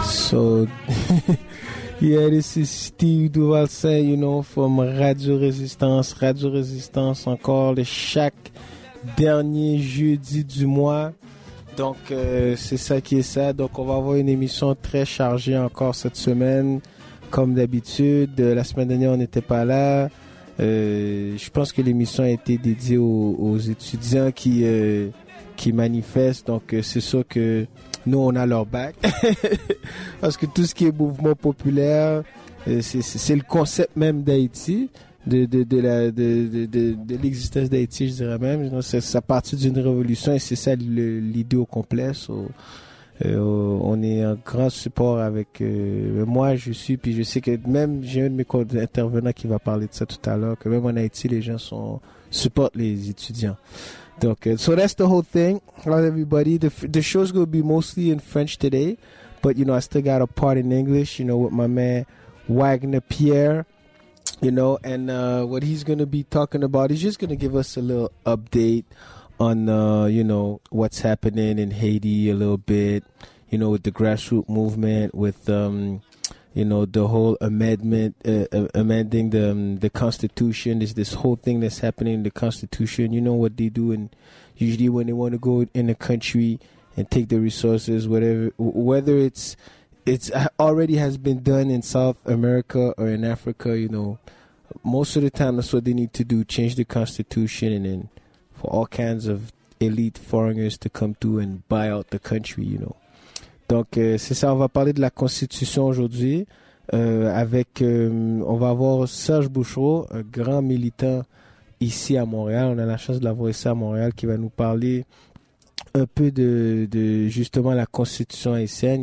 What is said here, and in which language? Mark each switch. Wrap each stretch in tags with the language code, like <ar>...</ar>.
<en>So, yeah, this is Steve Duvalcin, you know, from Radio Résistance.</en> <fr>Radio Résistance, encore le chaque dernier jeudi du mois. Donc, c'est ça qui est ça. Donc, on va avoir une émission très chargée encore cette semaine, comme d'habitude. La semaine dernière, on n'était pas là. Je pense que l'émission a été dédiée aux étudiants qui manifestent. Donc, c'est sûr que nous, on a leur back. Parce que tout ce qui est mouvement populaire, c'est le concept même d'Haïti, de l'existence d'Haïti, je dirais même. Donc, ça partit d'une révolution et c'est ça l'idée au complet. On est en grand support avec moi, je suis, puis je sais que même j'ai un de mes intervenants qui va parler de ça tout à l'heure, que même en Haïti, les gens supportent les étudiants.</fr> <en>Donc, so that's the whole thing. Hello everybody. The show's going to be mostly in French today, but you know, I still got a part in English, you know, with my man Wagner Pierre, you know, and what he's going to be talking about, he's just going to give us a little update on, you know, what's happening in Haiti a little bit, you know, with the grassroots movement, with, you know, the whole amending the constitution. There's this whole thing that's happening in the constitution. You know what they do, and usually when they want to go in a country and take the resources, whether it's already has been done in South America or in Africa, you know, most of the time that's what they need to do, change the constitution and then for all kinds of elite foreigners to come through and buy out the country, you know.</en> <fr>Donc, c'est ça, on va parler de la Constitution aujourd'hui. On va avoir Serge Bouchereau, un grand militant ici à Montréal. On a la chance de l'avoir ici à Montréal, qui va nous parler un peu de justement la Constitution haïtienne.</fr>